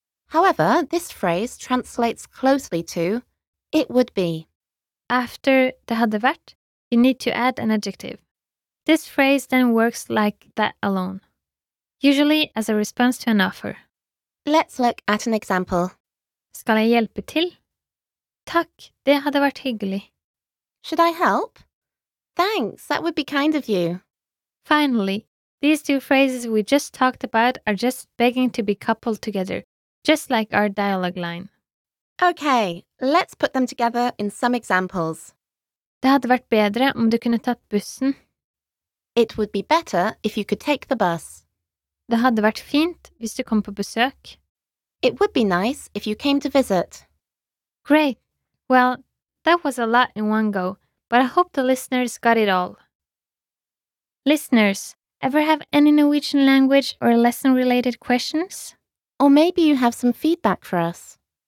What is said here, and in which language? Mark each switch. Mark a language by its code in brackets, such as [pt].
[en] However, this phrase translates closely to it would be. After [no] det hadde vært, [en] you need to add an adjective. This phrase then works like that alone, usually as a response to an offer. Let's look at an example. [no] Skal jeg hjelpe til? Takk, det hadde vært hyggelig. [en] Should I help? Thanks, that would be kind of you. Finally, these two phrases we just talked about are just begging to be coupled together, just like our dialogue line. Okay, let's put them together in some examples. [no] Det hadde vært bedre om du kunne tatt bussen. [en] It would be better if you could take the bus. [no] Det hadde vært fint hvis du kom på besøk. [en] It would be nice if you came to visit. Great. Well, that was a lot in one go, but I hope the listeners got it all. Listeners, ever have any Norwegian language or lesson-related questions? Or maybe you have some feedback for us.